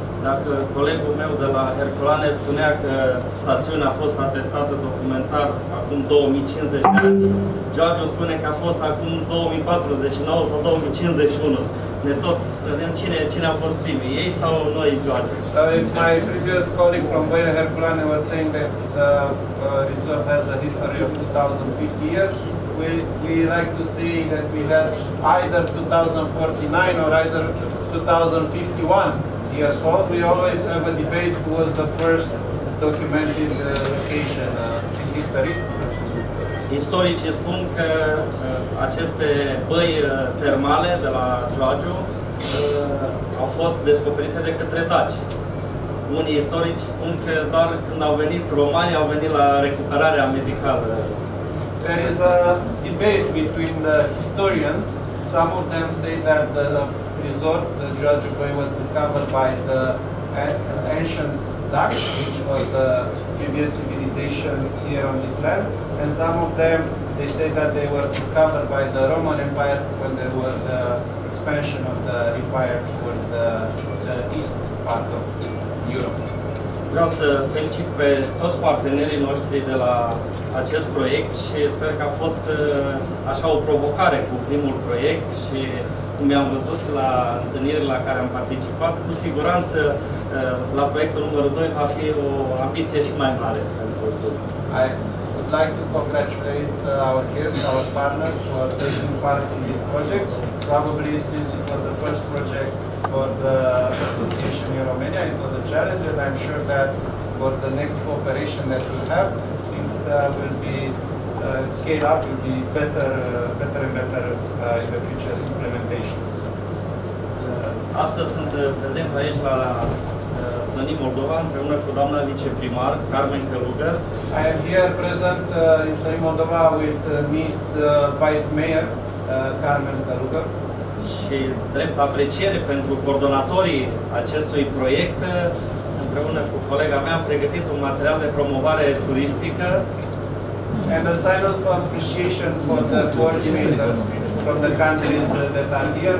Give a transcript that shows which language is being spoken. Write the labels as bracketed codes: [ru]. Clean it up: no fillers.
[ro] Dacă colegul meu de la Herculane spunea că stațiunea a fost atestată documentar acum 2050 de ani, George spune că a fost acum 2049 sau 2051. Ne tot să vedem cine a fost primii, ei sau noi, George. [en] My previous colleague from Băile Herculane was saying that the resort has a history of 2050 years. We like to see that we have either 2049 or either 2051. Yes, so we always have a debate who was the first documented location in history. [ro] Istoricii spun că aceste băi termale de la Giurgiu au fost descoperite de către daci. Unii istorici spun că doar când au venit romanii au venit la recuperarea medicală. [en] There is a debate between the historians. Some of them say that the resort, the Giurgiu Băi, was discovered by the ancient Dacs, which were the previous civilizations here on these lands. And some of them, they say that they were discovered by the Roman Empire when there was the expansion of the empire towards the east part of Europe. [ro] Vreau să felicit pe toți partenerii noștri de la acest proiect și sper că a fost așa o provocare cu primul proiect și cum am văzut la întâlnirile la care am participat, cu siguranță la proiectul numărul 2 va fi o ambiție și mai mare pentru tot. [en] I would like to congratulate our guests, our partners for taking part in this project. Probably since it was the first project for the association in Romania, it was a challenge, and I'm sure that for the next cooperation that we have, things will be scale up, will be better and better in the future implementations. [ro] Astăzi sunt prezent aici la Slănic Moldova, împreună cu doamna viceprimar, Carmen Călugăr. [en] I am here present in Slănic Moldova with Miss Vice Mayor, Carmen Călugăr. [ro] Și drept apreciere pentru coordonatorii acestui proiect, împreună cu colega mea, am pregătit un material de promovare turistică. [en] And a sign of appreciation for the coordinators from the countries that are here.